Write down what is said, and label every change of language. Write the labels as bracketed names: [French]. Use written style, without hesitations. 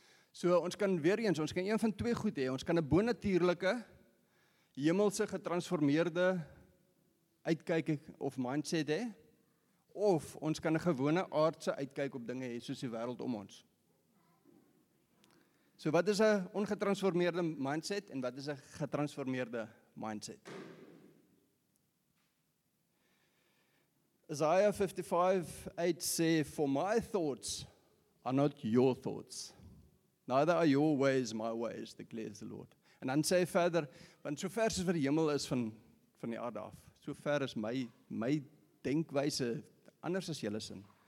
[Afrikaans] So ons kan weer eens, ons kan een van twee goed hê. Ons kan 'n bonatuurlike, hemelse getransformeerde uitkyk of mindset hê, of ons kan 'n gewone aardse uitkyk op dinge hê soos die wêreld om ons. So wat is 'n ongetransformeerde mindset en wat is 'n getransformeerde mindset? [English] Isaiah 55:8 [Afrikaans] sê, [English] For my thoughts are not your thoughts, neither are your ways my ways, declares the Lord. [Afrikaans] En dan sê hy verder, want so ver soos wat die hemel is van die aarde af, so ver is my denkwyse anders as julle sin.